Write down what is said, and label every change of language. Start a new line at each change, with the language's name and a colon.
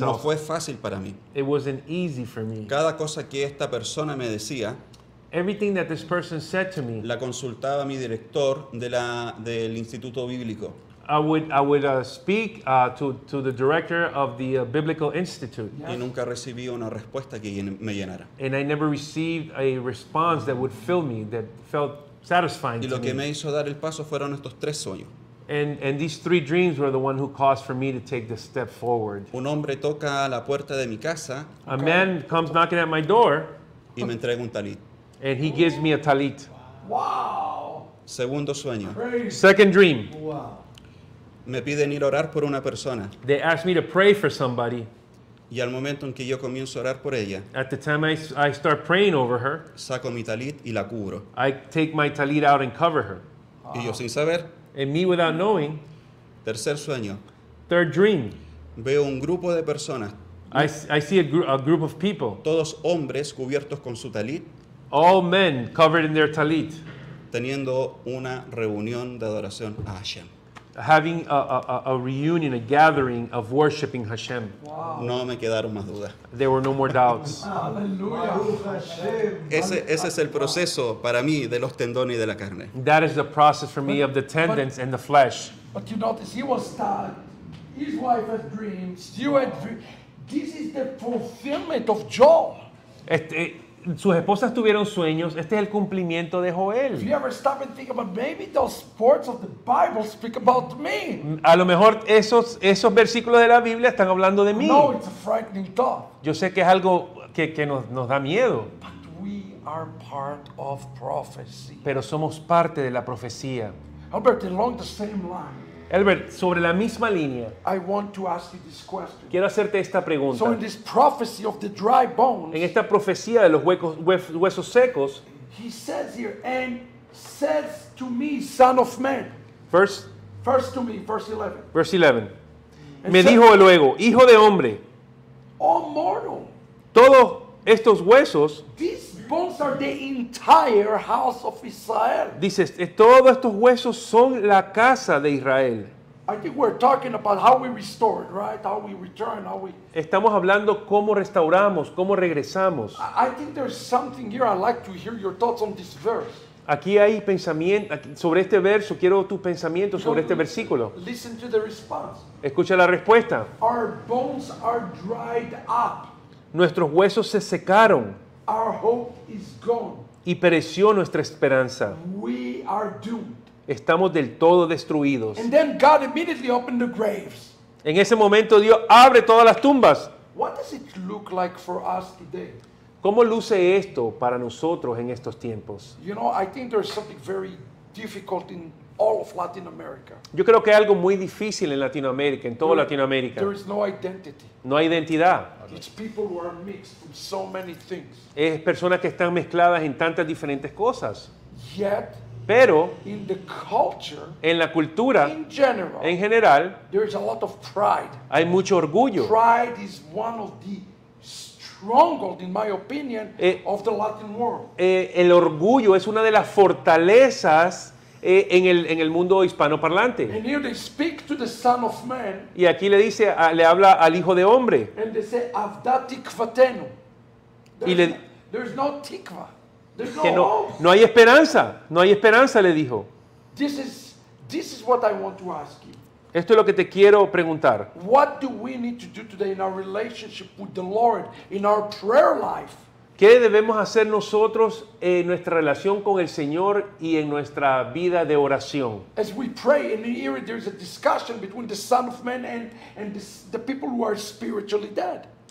Spanish: No fue fácil para mí.
English: It wasn't easy for me.
Spanish: Cada cosa que esta persona me decía,
English: everything that this person said to me,
Spanish: la consultaba mi director del Instituto Bíblico.
English: I would speak to the director of the Biblical Institute. Yes.
Spanish: Y nunca recibí una respuesta que me llenara.
English: And I never received a response that would fill me, that felt satisfying.
Spanish: Y lo que me hizo dar el paso fueron estos tres sueños.
English: And these three dreams were the one who caused for me to take the step forward.
Spanish: Un hombre toca a la puerta de mi casa.
English: A man comes knocking at my door.
Spanish: Y me entrega un talit.
English: And he gives me a talit. Wow.
Spanish: Segundo sueño.
English: Second dream. Wow.
Spanish: Me piden ir a orar por una persona.
English: They ask me to pray for somebody.
Spanish: Y al momento en que yo comienzo a orar por ella,
English: at the time I start praying over her,
Spanish: saco mi talit y la cubro.
English: I take my talit out and cover her.
Spanish: Y yo sin saber,
English: and me without knowing,
Spanish: tercer sueño,
English: third dream,
Spanish: veo un grupo de personas,
English: I see a group of people,
Spanish: todos hombres cubiertos con su talit,
English: all men covered in their talit,
Spanish: teniendo una reunión de adoración a Hashem.
English: Having a reunion, a gathering of worshiping Hashem. Wow.
Spanish: No me quedaron más dudas.
English: There were no more doubts.
Spanish: Ese es el proceso para mí de los tendones y de la carne.
English: That is the process for me of the tendons and the flesh. But you notice, he was stuck. His wife had dreams. You had dreams. This is the fulfillment of Joel.
Spanish: Sus esposas tuvieron sueños. Este es el cumplimiento de Joel.
English: If you ever stop and think about, maybe those words of the Bible speak about me.
Spanish: A lo mejor esos versículos de la Biblia están hablando de mí.
English: No, it's a frightening thought.
Spanish: Yo sé que es algo que nos da miedo.
English: But we are part of prophecy.
Spanish: Pero somos parte de la profecía.
English: Albert, along the same line.
Spanish: Albert, sobre la misma línea.
English: I want to ask you this question.
Spanish: Quiero hacerte esta pregunta.
English: So in this prophecy of the dry bones,
Spanish: en esta profecía de los huesos secos.
English: He says here, and says to me, son of man. First to me, verse 11. Verse 11. And
Spanish: me dijo luego, hijo de hombre.
English: Oh mortal.
Spanish: Todos estos huesos.
English: These bones are the entire house of Israel.
Spanish: Dices, todos estos huesos son la casa de Israel.
English: I think we're talking about how we restored, right? How we return, how we.
Spanish: Estamos hablando cómo restauramos, cómo regresamos.
English: I think there's something here. I'd like to hear your thoughts on this verse.
Spanish: Aquí hay pensamiento sobre este verso. Quiero tu pensamiento sobre este versículo.
English: Listen to the response.
Spanish: Escucha la respuesta.
English: Our bones are dried up.
Spanish: Nuestros huesos se secaron.
English: Our hope is gone.
Spanish: Y pereció nuestra esperanza.
English: We are doomed.
Spanish: Estamos del todo destruidos.
English: And then God immediately opened the graves.
Spanish: En ese momento Dios abre todas las tumbas.
English: What does it look like for us today?
Spanish: ¿Cómo luce esto para nosotros en estos tiempos?
English: You know, I think there's something very difficult in all of Latin America.
Spanish: Yo creo que hay algo muy difícil en Latinoamérica, en todo Latinoamérica.
English: There is no identity.
Spanish: No hay identidad.
English: It's people who are mixed in so many things.
Spanish: Es personas que están mezcladas en tantas diferentes cosas.
English: Yet,
Spanish: pero
English: in the culture,
Spanish: en la cultura,
English: in general,
Spanish: en general,
English: there is a lot of pride.
Spanish: Hay mucho orgullo.
English: Pride is one of the stronghold, in my opinion, of the Latin world.
Spanish: El orgullo es una de las fortalezas en el mundo hispanoparlante.
English: And here they speak to the son of man,
Spanish: y aquí le dice, le habla al hijo de hombre.
English: And they say,
Hebrew: avda tikvatenu.
English: There's no tikva.
Spanish: No hay esperanza. No hay esperanza, le dijo.
English: This is what I want to ask you.
Spanish: Esto es lo que te quiero preguntar.
English: What do we need to do today in our relationship with the Lord, in our prayer life?
Spanish: ¿Qué debemos hacer nosotros en nuestra relación con el Señor y en nuestra vida de oración?
English: As we pray in the ear, there is a discussion between the Son of Man and the people who are spiritually dead.